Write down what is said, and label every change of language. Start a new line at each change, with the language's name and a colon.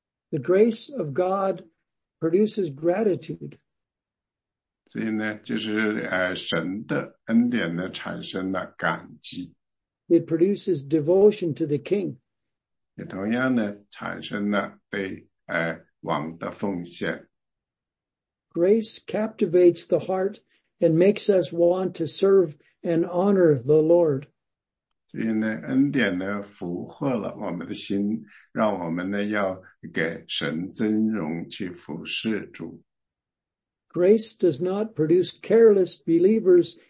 English: The grace of God produces gratitude.
Chinese: 所以呢，就是神的恩典呢产生了感激。
English: It produces devotion to the king.
Chinese: 也同样呢产生了对王的奉献。
English: Grace captivates the heart and makes us want to serve and honor the Lord.
Chinese: 所以呢，恩典呢俘获了我们的心，让我们呢要给神尊荣去服侍主。
English: Grace does not produce careless believers.